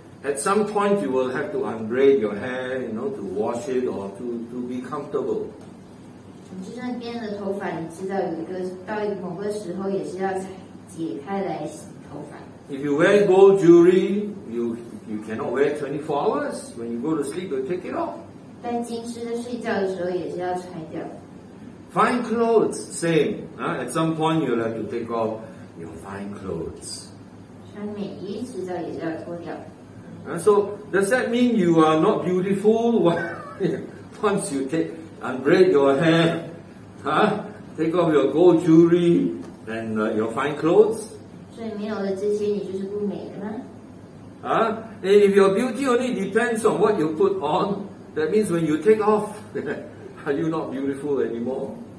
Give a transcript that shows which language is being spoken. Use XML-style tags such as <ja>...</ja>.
<en>At some point, you will have to unbraid your hair, you know, to wash it or to be comfortable.</en> <zh>就算编了头发，你知道有一个到某个时候也是要解开来洗头发。</zh> <en>If you wear gold jewelry, you cannot wear 24 hours. When you go to sleep, you take it off.</en> <zh>戴金饰的睡觉的时候也是要拆掉。</zh> <en>Fine clothes, same. At some point, you'll have to take off your fine clothes.</en> <zh>穿美衣迟早也是要脱掉。</zh> <en>So does that mean you are not beautiful once you take unbraid your hair? Take off your gold jewelry and your fine clothes?</en> <zh>所以没有了这些你就是不美的吗?</zh> <en>If your beauty only depends on what you put on, that means when you take off, are you not beautiful anymore?</en>